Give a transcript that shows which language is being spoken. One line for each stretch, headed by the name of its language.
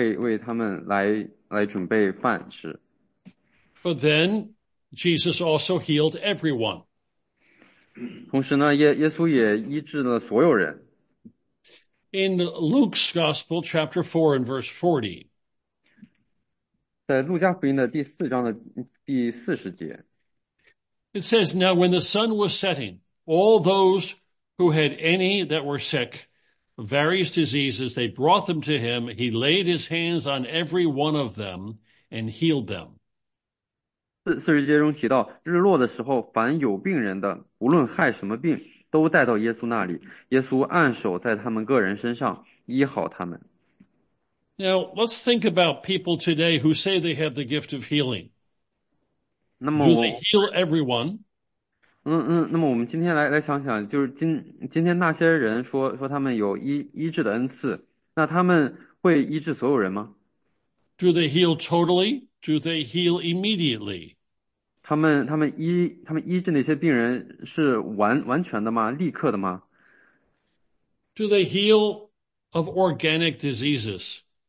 Chinese: 就是这个岳母呢，她就是立刻就好了。那么她就可以直接起身，就是完全的她的病就好了。她可以起来去为他们来准备饭吃。
English: But then Jesus also healed everyone.
Chinese: 同时呢，耶稣也医治了所有人。
English: In Luke's Gospel, chapter 4 and verse 40,
Chinese: 在路加福音的第四章的第40节,
English: it says, Now when the sun was setting, all those who had any that were sick, various diseases, they brought them to him. He laid his hands on every one of them and healed them.
Chinese: 40节中提到, 日落的时候, 凡有病人的, 无论害什么病, 都带到耶稣那里, 耶稣按手在他们个人身上, 医好他们。
English: Now, let's think about people today who say they have the gift of healing.
Chinese: 那么我,
English: Do they heal everyone?
Chinese: 那么我们今天来想想, 就是今天那些人说他们有医治的恩赐, 那他们会医治所有人吗?
English: Do they heal totally? Do they heal immediately?
Chinese: 他们医治那些病人是完全的吗? 立刻的吗?
English: Do they heal of organic diseases?